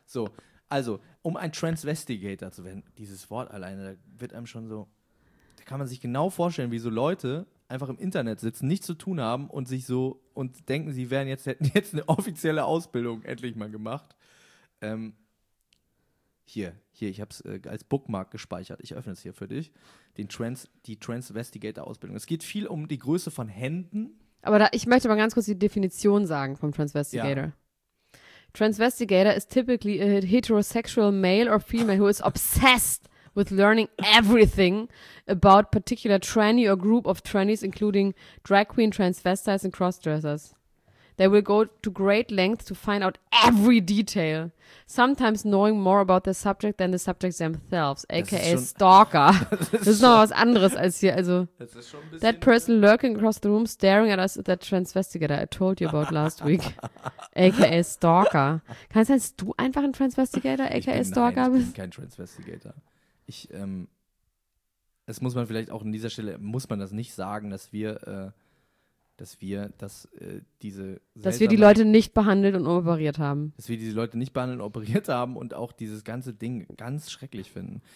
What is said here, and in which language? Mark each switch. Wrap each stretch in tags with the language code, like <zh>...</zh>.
<de>So, also, um ein Transvestigator zu werden, dieses Wort alleine, da wird einem schon so, da kann man sich genau vorstellen, wie so Leute einfach im Internet sitzen, nichts zu tun haben und sich so, und denken, sie wären jetzt, hätten jetzt eine offizielle Ausbildung endlich mal gemacht. Hier, ich hab's als Bookmark gespeichert. Ich öffne es hier für dich. Die Transvestigator-Ausbildung. Es geht viel um die Größe von Händen. Aber ich möchte mal ganz kurz die Definition sagen vom Transvestigator. Ja.</de> <en>Transvestigator is typically a heterosexual male or female who is obsessed with learning everything about particular tranny or group of trannies, including drag queen, transvestites and crossdressers. They will go to great lengths to find out every detail, sometimes knowing more about the subject than the subject themselves, aka</en> <de>das ist schon,</de> <en>stalker.</en> <de>Das ist noch was anderes als hier. Also, das ist schon ein</de> <en>that person lurking across the room, staring at us, that transvestigator I told you about last week, aka stalker.</en> <de>Kann es sein, dass du einfach ein Transvestigator, aka stalker bist? Ich bin kein Transvestigator. Ich, es muss man vielleicht auch an dieser Stelle, muss man das nicht sagen, dass wir die Leute nicht behandelt und operiert haben. Dass wir diese Leute nicht behandelt und operiert haben und auch dieses ganze Ding ganz schrecklich finden.</de>